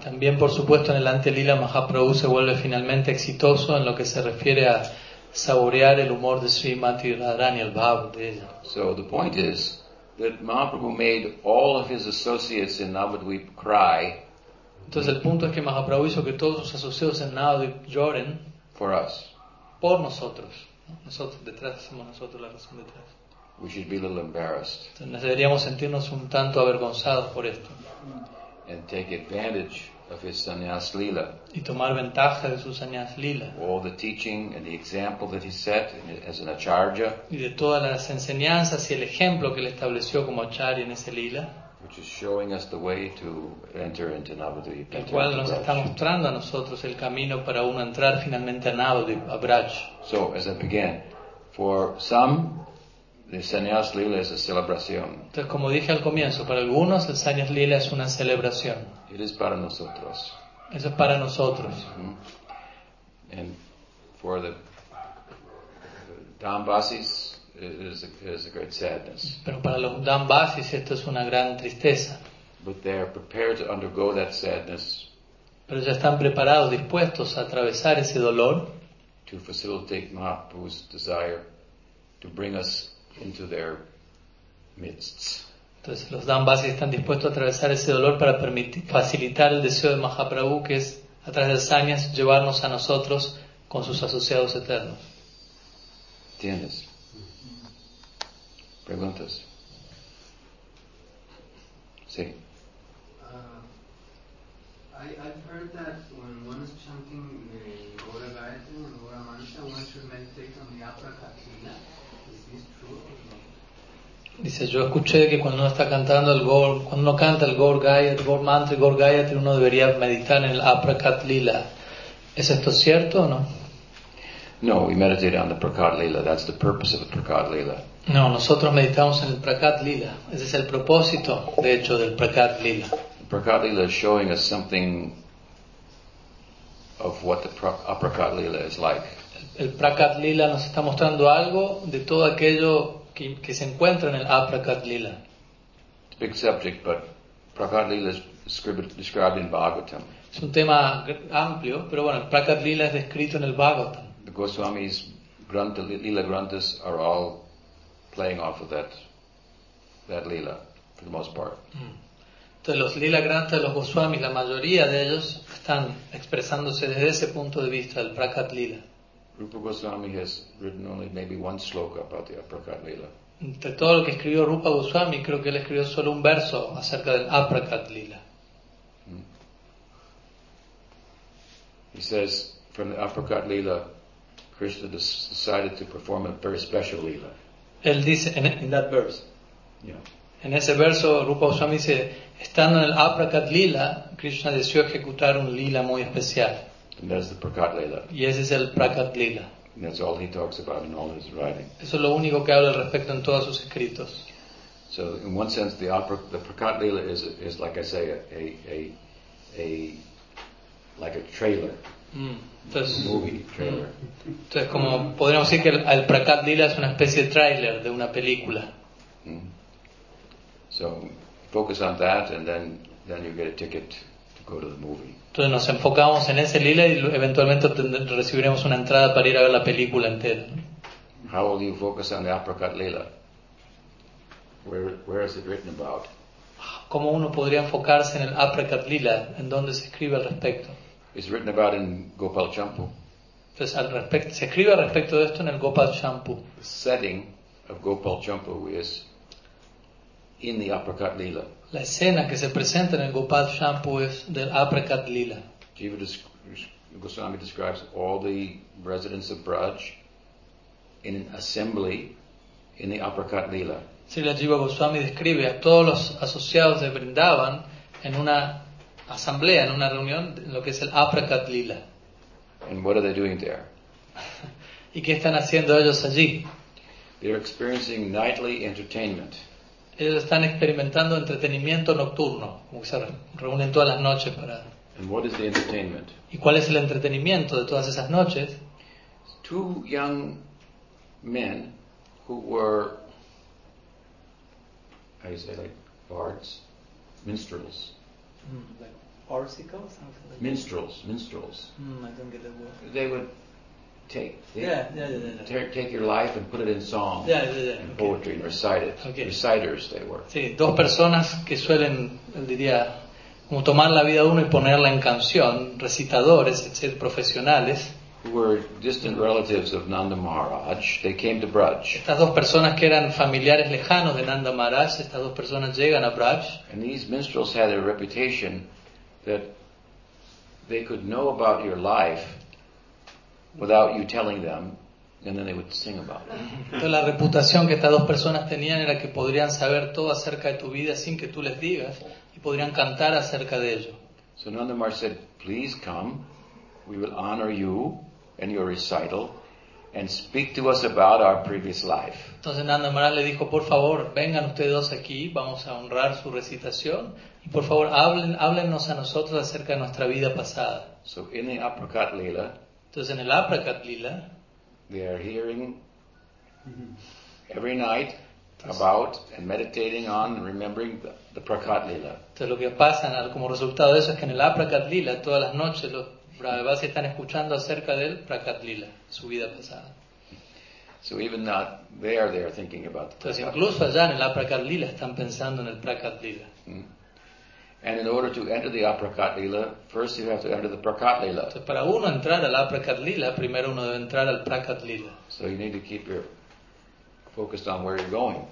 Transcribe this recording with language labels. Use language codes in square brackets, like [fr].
[es] También, por supuesto, en el Antilila Mahaprabhu se vuelve finalmente exitoso en lo que se refiere a saborear el humor de Srimati Radharani, el bhava de ella. [en] So the point is that Mahaprabhu made all of his associates in Navadvip cry. [es] Entonces el punto es que Mahaprabhu hizo que todos sus asociados en Navadvip lloren. [en] For us. [es] Por nosotros. Nosotros detrás somos nosotros la razón detrás. [en] We should be a little embarrassed. [es] Entonces deberíamos sentirnos un tanto avergonzados por esto. [en] And take advantage of his Sannyasa-lila. [es] Y tomar ventaja de su Sannyasa-lila. [en] All the teaching and the example that he set in it as an acharya. [es] Y de todas las enseñanzas y el ejemplo que él estableció como acharya en ese lila. [en] Which is showing us the way to enter into Navadvipa. [es] El cual nos está mostrando a nosotros el camino para uno entrar finalmente a Navadvipa, a Braj. [en] So, as I began, for some, the Sannyasa-lila is a celebration. [es] Entonces, como dije al comienzo, para algunos el Sannyasa-lila es una celebración. [en] It is [es] para nosotros. Eso es para nosotros. [en] And for the Dambasis, it is a great sadness. [es] Pero para los Dambasis esto es una gran tristeza. [en] But they are prepared to undergo that sadness. [es] Pero ya están preparados, dispuestos a atravesar ese dolor. [en] To facilitate Mahaprabhu's desire to bring us into their midst. Entonces los Dambasis están dispuestos a atravesar ese dolor para facilitar el deseo de Mahaprabhu, que es a través de sañas llevarnos a nosotros con sus asociados eternos. [es] ¿Tienes preguntas? Sí. [en] I've heard that when one is chanting the Gaura Gayatri and Gaura Mantra, one should meditate on the Apra Kathina. Is this true or not? [es] Dice, yo escuché que cuando uno está cantando el Gaur, cuando uno canta el Gaur Gayatri, Gaur Mantra, Gaur Gayatri, uno debería meditar en el Aprakat Lila. ¿Es esto cierto o no? [en] No, we meditate on the Prakat Lila. That's the purpose of the Prakat Lila. [es] No, nosotros meditamos en el Prakat Lila. Ese es el propósito, de hecho, del Prakat Lila. [en] Prakat Lila is showing us something of what the Prakat Lila is like. [es] El Prakat Lila nos está mostrando algo de todo aquello que se encuentra en el Aprakat Lila. [en] It's a big subject, but Prakat Lila is described in Bhagavatam. [es] Es un tema amplio, pero bueno, el Prakat Lila es descrito en el Bhagavatam. [en] The Goswami's Granta, Lila Grantas are all playing off of that Lila, for the most part. [es] Entonces los Lila Grantas, los Goswamis, la mayoría de ellos están expresándose desde ese punto de vista del Prakat Lila. [en] Rupa Goswami has written only maybe one sloka about the Aprakat Lila. [es] Entre todo lo que escribió Rupa Goswami, creo que él escribió solo un verso acerca del Aprakat Lila. [en] He says, from the Aprakat Lila, Krishna decided to perform a very special Lila. [es] Él dice, [en] in that verse. Yeah. [es] En ese verso, Rupa Goswami dice, estando en el Aprakat Lila, Krishna deseó ejecutar un Lila muy especial. [en] And that's the Prakat Lila. [es] Y ese es el Prakat Lila. [en] And that's all he talks about in all his writing. [es] Eso es lo único que habla al respecto en todos sus escritos. [en] So, in one sense, the Prakat Lila is like I say, a like a trailer. [es] Entonces, [en] a movie trailer. [es] Entonces, como podríamos decir que el Prakat Lila es una especie de trailer de una película. [en] So, focus on that, and then you get a ticket to go to the movie. [es] Entonces nos enfocamos en ese lila y eventualmente recibiremos una entrada para ir a ver la película entera. [en] How will you focus on the Aprakat Lila? Where is it written about? [es] ¿Cómo uno podría enfocarse en el Aprakat Lila? ¿En dónde se escribe al respecto? [en] It's written about in Gopalchampu. [es] Entonces al respecto se escribe al respecto de esto en el Gopalchampu. [en] The setting of Gopalchampu is in the Aprakat Lila. [es] La escena que se presenta en el Gopalchampu es del Aprakat Lila. [en] Jiva Goswami describes all the residents of Braj in an assembly in the Aprakat Lila. [es] Sí, la Jiva Goswami describe a todos los asociados de Vrindavan en una asamblea, en una reunión, en lo que es el Aprakat Lila. [en] And what are they doing there? [es] ¿Y qué están haciendo ellos allí? [en] They're experiencing nightly entertainment. [es] Ellos están experimentando entretenimiento nocturno, como que se reúnen todas las noches para... [en] And what is the entertainment? [es] ¿Y cuál es el entretenimiento de todas esas noches? [en] Two young men who were, how do you say, like bards, minstrels. Like orsicles? Like minstrels. I don't get the word. They would take your life and put it in song and poetry and recite it. Okay. Reciters they were. [es] Sí, dos personas que suelen, diría, como tomar la vida de uno y ponerla en canción, recitadores, etcétera, profesionales. [en] Who were distant relatives of Nanda Maharaj. They came to Braj. [es] Estas dos personas que eran familiares lejanos de Nanda Maharaj, estas dos personas llegan a Braj. [en] And these minstrels had a reputation that they could know about your life without you telling them, and then they would sing about it. [es] Entonces la reputación que estas dos personas tenían era que podrían saber todo acerca de tu vida sin que tú les digas y podrían cantar acerca de ello. [en] So Nanda Maharaj said, please come, we will honor you and your recital and speak to us about our previous life. [es] Entonces Nanda Maharaj le dijo, por favor, vengan ustedes dos aquí, vamos a honrar su recitación y por favor, háblennos a nosotros acerca de nuestra vida pasada. [en] So in the Aprakat Lila, [es] entonces en el Aprakat Lila, [en] they are hearing every night about and meditating on and remembering the Prakat Lila. [es] Entonces lo que pasa como resultado de eso es que en el Aprakat Lila todas las noches los Brahmavasis están escuchando acerca del Prakat Lila, su vida pasada. [en] So even not there they are thinking about the Prakat. [es] Entonces incluso allá en el Aprakat Lila están pensando en el Prakat Lila. [en] And in order to enter the Aprakat Lila, first you have to enter the Prakat Lila. [es] Entonces, para uno entrar al Aprakat Lila, primero uno debe entrar al Prakat Lila. [en] So you need to keep your focus on where you're going.